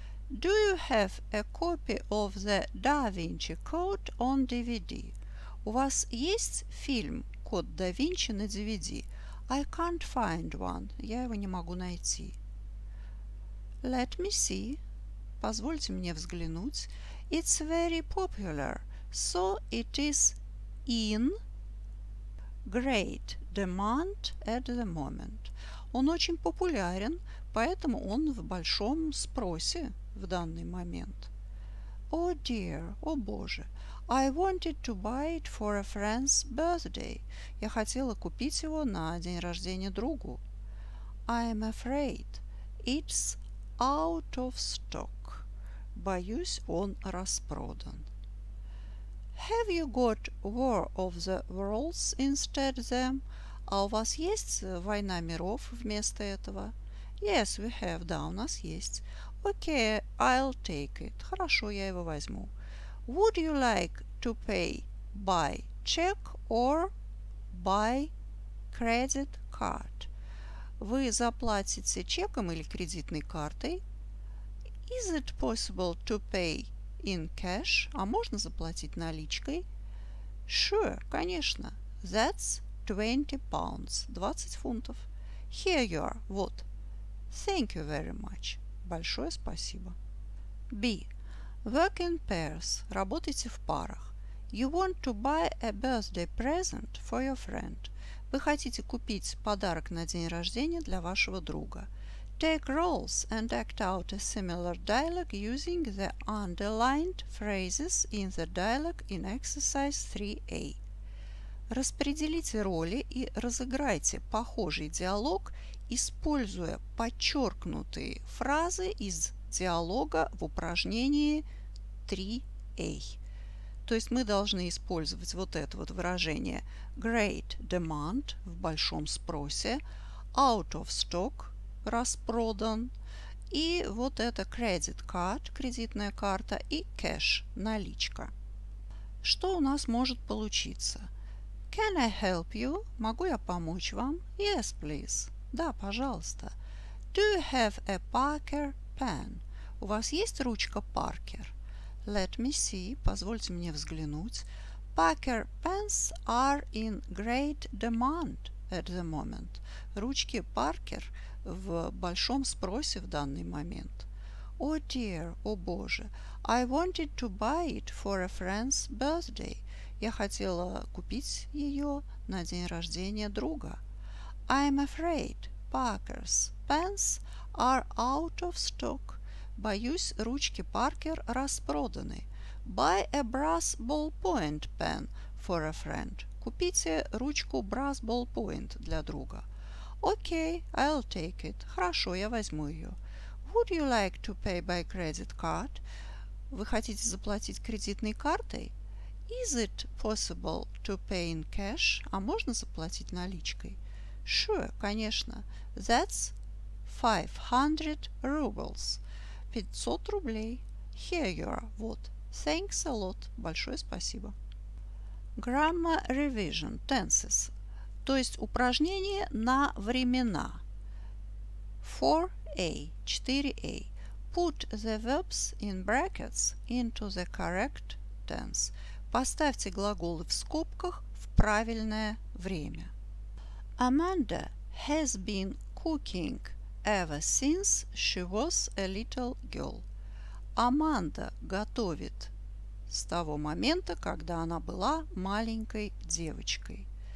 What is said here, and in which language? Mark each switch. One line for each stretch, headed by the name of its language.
English: Do you have a copy of the Da Vinci Code on DVD?
Russian: У вас есть фильм «Код да Винчи» на DVD?
English: I can't find one.
Russian: Я его не могу найти.
English: Let me see.
Russian: Позвольте мне взглянуть.
English: It's very popular, so it is in great demand at the moment.
Russian: Он очень популярен, поэтому он в большом спросе в данный момент.
English: Oh dear,
Russian: о боже,
English: I wanted to buy it for a friend's birthday.
Russian: Я хотела купить его на день рождения другу.
English: I'm afraid it's out of stock.
Russian: Боюсь, он распродан.
English: Have you got War of the Worlds instead of them?
Russian: А у вас есть Война миров вместо этого?
English: Yes, we have.
Russian: Да, у нас есть.
English: Okay, I'll take it.
Russian: Хорошо, я его возьму.
English: Would you like to pay by check or by credit card?
Russian: Вы заплатите чеком или кредитной картой?
English: Is it possible to pay in cash?
Russian: А можно заплатить наличкой?
English: Sure,
Russian: конечно.
English: That's 20 pounds.
Russian: 20 фунтов.
English: Here you are.
Russian: Вот.
English: Thank you very much.
Russian: Большое спасибо.
English: B. Work in pairs.
Russian: Работайте в парах.
English: You want to buy a birthday present for your friend.
Russian: Вы хотите купить подарок на день рождения для вашего друга.
English: Take roles and act out a similar dialogue using the underlined phrases in the dialogue in exercise 3A.
Russian: Распределите роли и разыграйте похожий диалог, используя подчеркнутые фразы из диалога в упражнении 3A. То есть мы должны использовать вот это вот выражение great demand в большом спросе, out of stock, распродан, и вот это credit card, кредитная карта, и cash, наличка. Что у нас может получиться?
English: Can I help you?
Russian: Могу я помочь вам?
English: Yes, please.
Russian: Да, пожалуйста.
English: Do you have a Parker pen?
Russian: У вас есть ручка Parker?
English: Let me see.
Russian: Позвольте мне взглянуть.
English: Parker pens are in great demand at the moment.
Russian: Ручки Parker в большом спросе в данный момент.
English: Oh dear,
Russian: о боже,
English: I wanted to buy it for a friend's birthday.
Russian: Я хотела купить ее на день рождения друга.
English: I'm afraid Parker's pens are out of stock.
Russian: Боюсь, ручки Parker распроданы.
English: Buy a brass ballpoint pen for a friend.
Russian: Купите ручку brass ballpoint для друга.
English: Okay, I'll take it.
Russian: Хорошо, я возьму ее.
English: Would you like to pay by credit card?
Russian: Вы хотите заплатить кредитной картой?
English: Is it possible to pay in cash?
Russian: А можно заплатить наличкой?
English: Sure,
Russian: конечно.
English: That's 500 rubles.
Russian: 500 рублей.
English: Here you are.
Russian: Вот.
English: Thanks a lot.
Russian: Большое спасибо.
English: Grammar revision. Tenses.
Russian: То есть упражнение на времена. 4A, 4A.
English: Put the verbs in brackets into the correct tense.
Russian: Поставьте глаголы в скобках в правильное время.
English: Amanda has been cooking ever since she was a little girl.
Russian: Аманда готовит с того момента, когда она была маленькой девочкой.